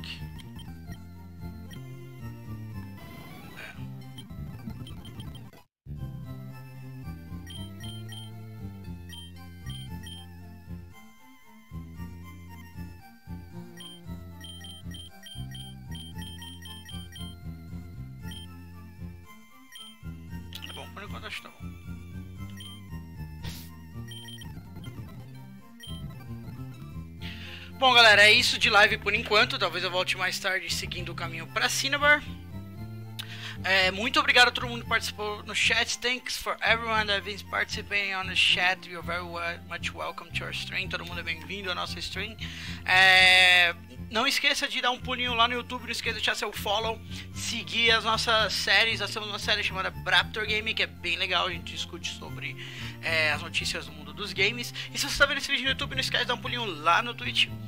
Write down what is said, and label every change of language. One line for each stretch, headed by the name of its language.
Portuguese: É. Tá bom, por enquanto acho que tá bom. Bom, galera, é isso de live por enquanto. Talvez eu volte mais tarde seguindo o caminho pra Cinnabar. É, muito obrigado a todo mundo que participou no chat.
English: Thanks for everyone that has been participating on the chat. You're very much welcome to our stream.
Portuguese: Todo mundo é bem-vindo à nossa stream. É, não esqueça de dar um pulinho lá no YouTube. Não esqueça de deixar seu follow. Seguir as nossas séries. Nós temos uma série chamada Braptor Game, que é bem legal. A gente discute sobre as notícias do mundo dos games. E se você está vendo esse vídeo no YouTube, não esquece de dar um pulinho lá no Twitch.